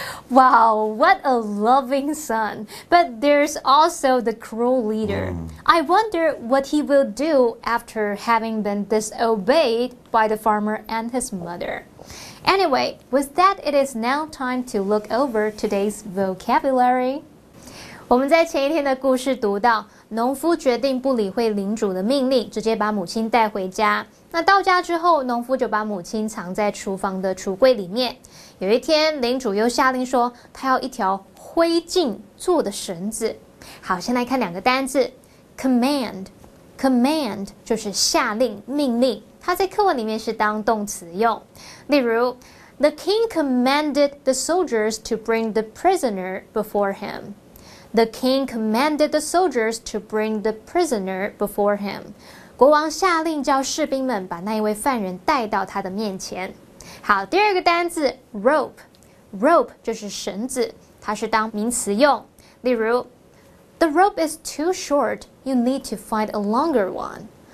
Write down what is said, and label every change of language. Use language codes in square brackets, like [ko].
[en] Wow, what a loving son. But there's also the cruel leader. Mm. I wonder what he will do after having been disobeyed by the farmer and his mother. Anyway, with that, it is now time to look over today's vocabulary. [zh] 我们在前一天的故事读到，农夫决定不理会领主的命令，直接把母亲带回家。那到家之后，农夫就把母亲藏在厨房的橱柜里面。有一天，领主又下令说，他要一条灰烬做的绳子。好，先来看两个单字 command 就是下令、命令，它在课文里面是当动词用。例如 [en] ，The king commanded the soldiers to bring the prisoner before him. The king commanded the soldiers to bring the prisoner before him. [zh] 国王下令叫士兵们把那一位犯人带到他的面前。好，第二个单字 rope 就是绳子，它是当名词用。例如 [en] ，The rope is too short. You need to find a longer one.